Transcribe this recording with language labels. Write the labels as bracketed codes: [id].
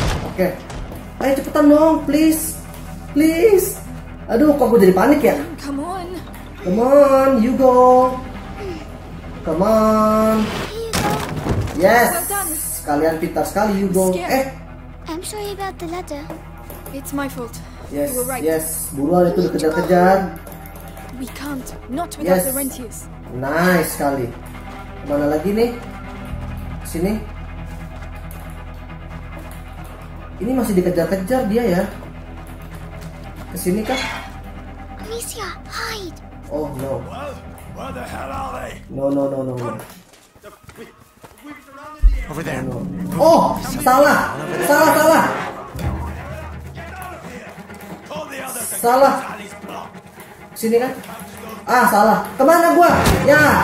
[id] Oke. Okay. Ayo cepetan dong, please. Please. Aduh, kok gue jadi panik ya? [en] Come on. Come on, you go. Come on. Yes. Well done. [id] Kalian pintar sekali, [en] you go. I'm sorry about the ladder. It's my fault. Yes. You were right. Yes. [id] Buruan itu dikejar-kejar. [en] We can't. Not without yes. the Rentius. [id] Nice sekali. Mana lagi nih? Sini. Ini masih dikejar-kejar dia ya. Kesini kah? [en] Amicia, hide. Oh no. Well, where the hell are they? No. Over there. No. [id] Oh, salah. Salah. Salah. Sini kan? Ah, salah. Kemana gua? Ya.